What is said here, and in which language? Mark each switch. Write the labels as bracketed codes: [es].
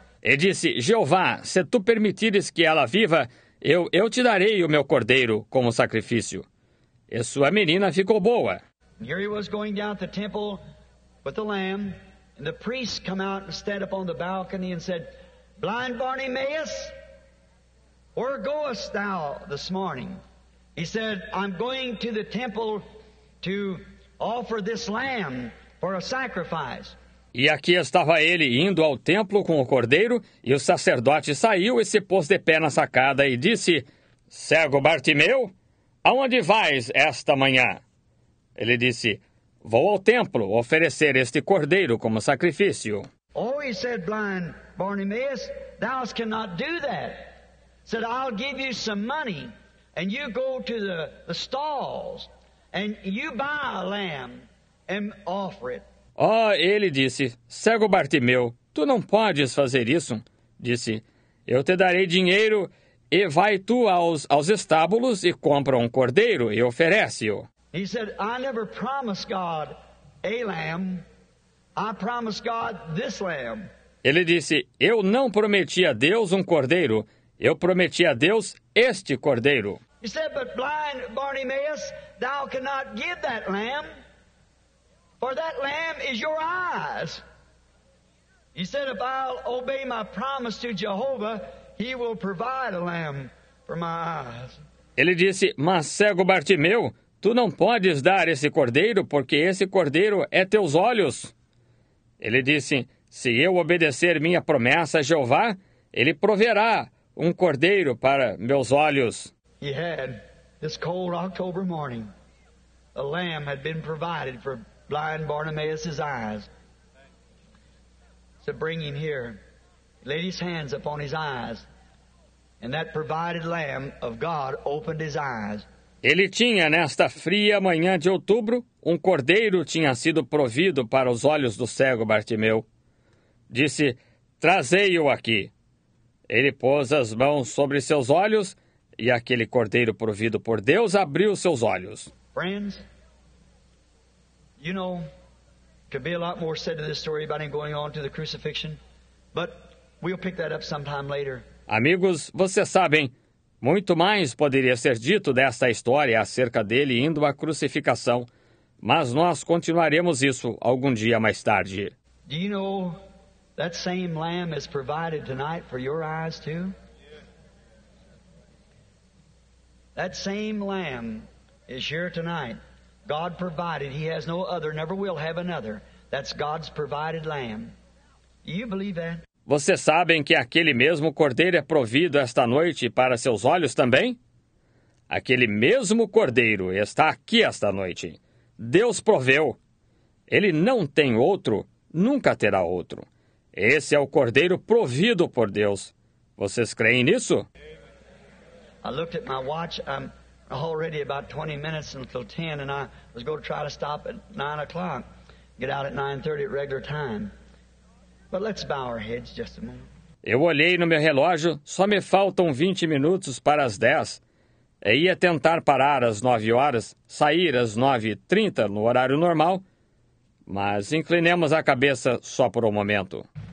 [pt] E disse, Jeová, se tu permitires que ela viva, eu te darei o meu cordeiro como sacrifício. E sua menina ficou boa. [en] Here he was going down to the temple with the lamb. And the priest come out and stand up on the balcony and said, Blind Bartimaeus, where goest thou this morning? He said, I'm going to the temple to offer this lamb for a sacrifice. [pt] E aqui estava ele indo ao templo com o cordeiro, e o sacerdote saiu e se pôs de pé na sacada e disse, Cego Bartimeu, aonde vais esta manhã? Ele disse, Vou ao templo oferecer este cordeiro como sacrifício. [en] Oh, he said, Blind Bartimaeus, thou cannot do that. He said, I'll give you some money. And you go to the stalls, and you buy a lamb and offer it. [pt] Oh, ele disse, cego Bartimeu, tu não podes fazer isso. Disse, eu te darei dinheiro, e vai tu aos estábulos e compra um cordeiro e oferece-o. [en] He said, I never promised God a lamb, I promised God this lamb. [pt] Ele disse, eu não prometi a Deus um cordeiro, eu prometi a Deus este cordeiro. [en] He said, but blind Bartimaeus, thou cannot give that lamb, for that lamb is your eyes. He said, if I'll obey my promise to Jehovah, he will provide a lamb for my eyes. [pt] Ele disse, mas cego Bartimeu, tu não podes dar esse cordeiro, porque esse cordeiro é teus olhos. Ele disse, se eu obedecer minha promessa a Jeová, ele proverá um cordeiro para meus olhos. [en] He had this cold October morning. A lamb had been provided for blind Bartimaeus's eyes. So bring him here. He laid his hands upon his eyes. And that provided lamb of God opened his eyes. [pt] Ele tinha, nesta fria manhã de outubro, um cordeiro tinha sido provido para os olhos do cego Bartimeu. Disse, trazei-o aqui. Ele pôs as mãos sobre seus olhos e aquele cordeiro provido por Deus abriu seus olhos. [en] Friends, you know, could be a lot more said to this story about him going on to the crucifixion, but we'll pick that up sometime later. [pt] Amigos, vocês sabem, muito mais poderia ser dito desta história acerca dele indo à crucificação, mas nós continuaremos isso algum dia mais tarde. [en] Do you know that same lamb is provided tonight for your eyes too? That same lamb is here tonight. God provided. He has no other, never will have another. That's God's provided lamb. Do you believe that? [pt] Vocês sabem que aquele mesmo cordeiro é provido esta noite para seus olhos também? Aquele mesmo cordeiro está aqui esta noite. Deus proveu. Ele não tem outro, nunca terá outro. Esse é o cordeiro provido por Deus. Vocês creem nisso? [en] I looked at my watch. I'm already about 20 minutes until 10, and I was going to try to stop at 9 o'clock, get out at 9:30 at regular time. But let's bow our heads just a moment. [pt] Eu olhei no meu relógio, só me faltam 20 minutos para as 10. E ia tentar parar às 9 horas, sair às 9:30 no horário normal, mas inclinemos a cabeça só por um momento.